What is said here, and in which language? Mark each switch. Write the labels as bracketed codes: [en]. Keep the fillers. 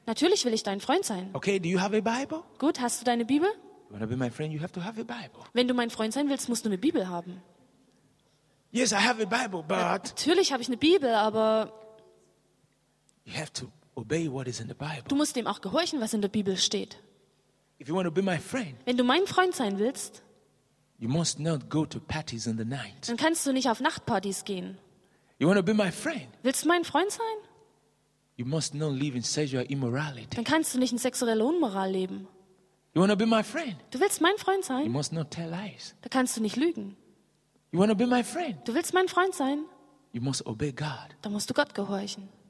[de] Natürlich will ich dein Freund sein. Gut, hast du deine Bibel? Wenn du mein Freund sein willst, musst du eine Bibel haben. [en] Yes, I have a [de] ja, [en] Bible, but [de] Natürlich habe ich eine Bibel, aber [en] you have to obey what is in the Bible. [de] du musst dem auch gehorchen, was in der Bibel steht. [en] If you want to be my friend, [de] Wenn du mein Freund sein willst, [en] you must not go to parties in the night. [de] dann kannst du nicht auf Nachtpartys gehen. [en] You want to be my friend? [de] Willst du mein Freund sein? [en] You must not live in sexual immorality. [de] Dann kannst du nicht in sexueller Unmoral leben. [en] You be my friend? [de] Du willst mein Freund sein? [en] You must not tell lies. [de] Da kannst du nicht lügen. [en] You wanna be my friend? [de] Du willst mein Freund sein? [en] You must obey God. [de] Da musst du Gott gehorchen.